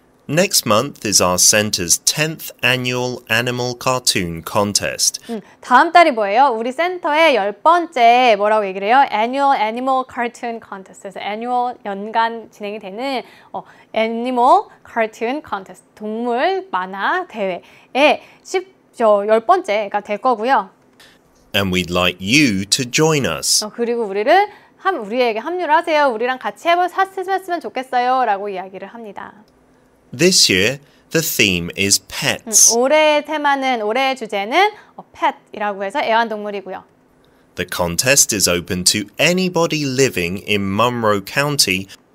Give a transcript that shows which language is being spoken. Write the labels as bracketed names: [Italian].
[English] Next month is our center's 10th annual animal cartoon contest. [Korean] 다음 달이 뭐예요? 우리 센터의 열 번째 뭐라고 얘기를 해요? [English] Annual animal cartoon contest. [Korean] 그래서 annual 연간 진행이 되는 [English] animal cartoon contest. [Korean] 동물 만화 대회의 열 번째가 될 거고요. [English] And we'd like you to join us. [Korean] 그리고 우리에게 합류를 하세요. 우리랑 같이 해보셨으면 좋겠어요. 라고 이야기를 합니다. [English] This year, the theme is pets. [Korean] 올해의 주제는 pet이라고 해서 애완동물이고요. [English] The contest is open to anybody living in Monroe County.